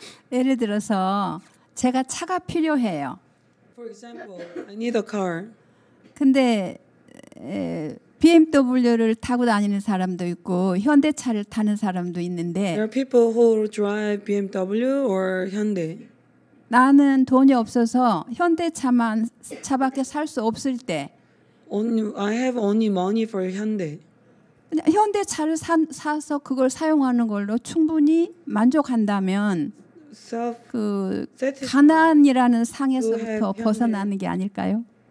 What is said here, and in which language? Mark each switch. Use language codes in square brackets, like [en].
[ko] 예를 들어서 제가 차가 필요해요. [en] For example, I need a car. [ko] 근데 BMW를 타고 다니는 사람도 있고 현대차를 타는 사람도 있는데 [en] There are people who drive BMW or Hyundai. [ko] 나는 돈이 없어서 현대차만 차밖에 살 수 없을 때 [en] I have only money for Hyundai. [ko] 현대차를 사서 그걸 사용하는 걸로 충분히 만족한다면 그 가난이라는 상에서부터 벗어나는 게 아닐까요?